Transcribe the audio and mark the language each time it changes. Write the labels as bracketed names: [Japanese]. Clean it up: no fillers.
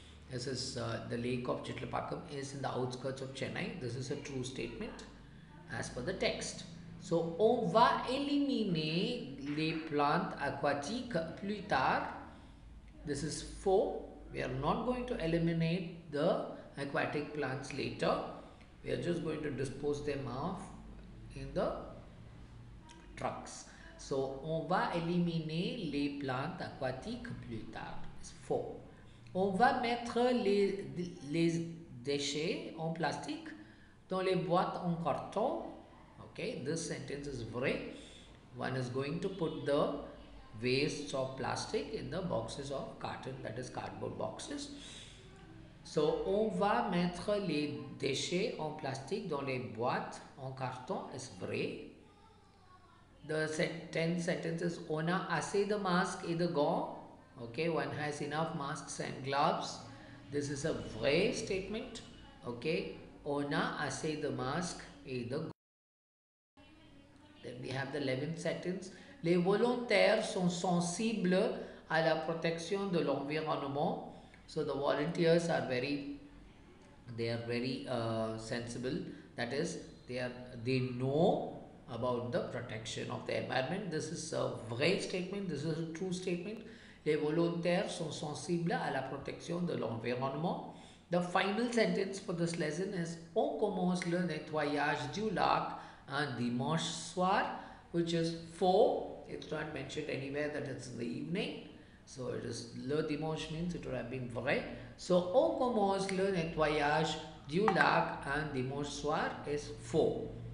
[English] This is the lake of Chitlipakkam is in the outskirts of Chennai. This is a true statement as per the text. [French] So, on va éliminer les plantes aquatiques plus tard. [English] This is faux. We are not going to eliminate the aquatic plants later. We are just going to dispose them off in the trucks. [French] So, on va éliminer les plantes aquatiques plus tard. C'est faux. On va mettre les déchets en plastique dans les boîtes en carton. [English] Okay, this sentence is vrai. One is going to put the wastes of plastic in the boxes of carton, that is cardboard boxes. [French] So, on va mettre les déchets en plastique dans les boîtes en carton. C'est vrai. [English] The 10th sentence is, [French] on a assez de masques et de gants. [English] Okay, one has enough masks and gloves. This is a vrai statement. [French] Okay, on a assez de masques et de gants. [English] Then we have the 11th sentence. [French] Les volontaires sont sensibles à la protection de l'environnement. [English] So the volunteers are very, they are very sensible. That is, they know about the protection of the environment. This is a vrai statement. This is a true statement. [French] Les volontaires sont sensibles à la protection de l'environnement. [English] The final sentence for this lesson is, [French] on commence le nettoyage du lac un dimanche soir, [English] which is [French] faux. [English] It's not mentioned anywhere that it's in the evening. So it is le dimanche means it would have been vrai. [French] So on commence le nettoyage du lac un dimanche soir is faux.